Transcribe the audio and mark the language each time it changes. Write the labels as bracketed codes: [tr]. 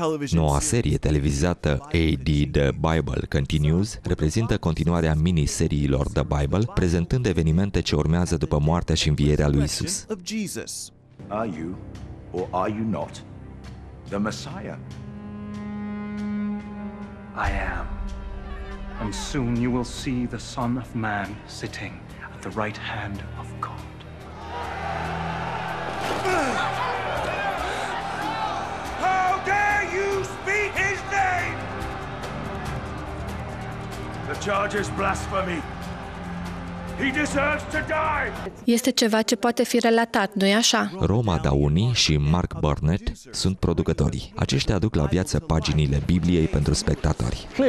[ro] Noua serie televizată AD The Bible Continues reprezintă continuarea miniseriilor The Bible, prezentând evenimente ce urmează după moartea și învierea lui Isus. [en] Are you or are you not the Messiah? I am. And soon you will see the Son of Man sitting at the right hand of God. How dare you speak his name? The charge is blasphemy. He deserves to die. [ro] Este ceva ce poate fi relatat, nu-i așa? Roma Downey și Mark Burnett sunt producătorii. Aceștia aduc la viață paginile Bibliei pentru spectatori.